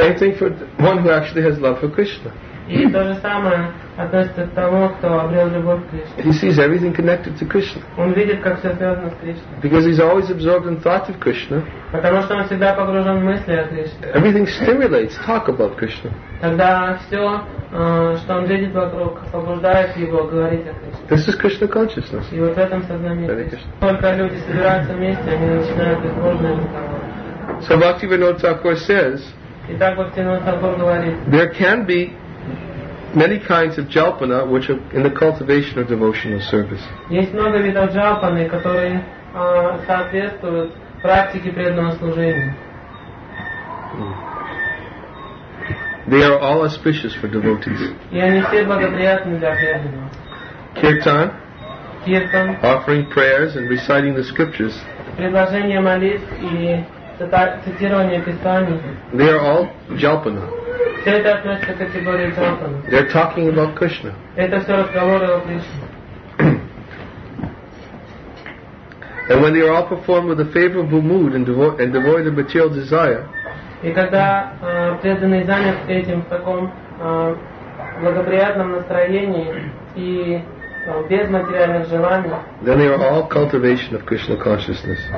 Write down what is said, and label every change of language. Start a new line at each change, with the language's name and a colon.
English: The same thing for one who actually has love for Krishna.
Russian: И то же самое относится к тому, кто обрел любовь к Кришне.
English: He sees everything connected to Krishna.
Russian: Он видит, как все связано с Кришной.
English: Because he's always absorbed in thought of Krishna.
Russian: Потому что он всегда погружен в мысли о Кришне.
English: Everything stimulates talk about Krishna.
Russian: Тогда все, что он видит вокруг, побуждает его говорить о Кришне.
English: This is Krishna consciousness.
Russian: И вот в этом сознании Кришна. Только люди собираются вместе, они начинают их ложные разговоры.
English: So Bhaktivinoda Thakur says,
Russian: Итак, Бхактивинода Тхакур говорит,
English: there can be many kinds of jalpana which are in the cultivation of devotional service.
Russian: Есть много видов джалпаны, которые соответствуют практике преданного служения.
English: They are all auspicious for devotees.
Russian: И они все благоприятны для преданного.
English: Kirtan.
Russian: Kirtan.
English: Offering prayers and reciting the scriptures.
Russian: Предложение молитв и цитирование писаний.
English: They are all jalpana.
Russian: Все это относится к категории джалпана.
English: They're talking about Krishna.
Russian: Это все разговоры о Кришне.
English: And when they are all performed with a favorable mood and devoid of material desire.
Russian: И когда преданный занят этим в таком благоприятном настроении и без материальных желаний.
English: Then they are all cultivation of Krishna consciousness.